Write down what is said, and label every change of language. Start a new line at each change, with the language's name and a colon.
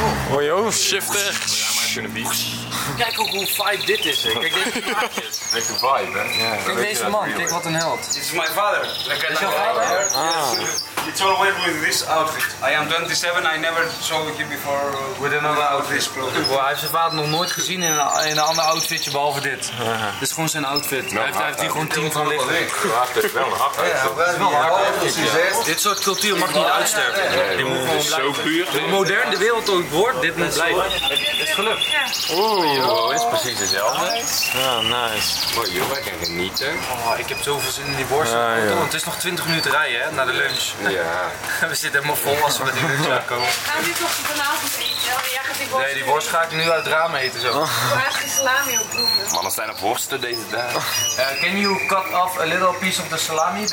Dutch: Hoi joh, shifter. Kijk ook hoe vibe dit is. Kijk deze maatjes. Lekker vibe, hè? Yeah, kijk deze man, kijk wat een held. Dit is mijn vader. Lekker is jouw vader?
English: Je told me with this outfit. I am 27, I never saw you before with another outfit.
Dutch: Well, hij heeft zijn vader nog nooit gezien in een ander outfitje behalve dit. Dit is gewoon zijn outfit. No, hij heeft hier gewoon 10 van liggen. Het is wel een hard outfit. Dit soort cultuur mag niet uitsterven. Dit moet gewoon blijven. Zo puur. Hoe modern de wereld ook wordt, dit moet blijven. Het is gelukt. Oeh, is precies hetzelfde. Ja, nice. Mooi, joh, wij kunnen genieten. Ik heb zoveel zin in die borst. Het is nog 20 minuten rijden, hè, naar de lunch. Ja. We zitten helemaal vol als we met die lunch aankomen. Gaan we die toch vanavond eten? Ja, die borst. Nee, die borst ga ik nu uit het raam eten zo. Ik wil echt die salami op proeven. Mannen, zijn er worsten deze dag?
English: Can you cut off a little piece of the salami?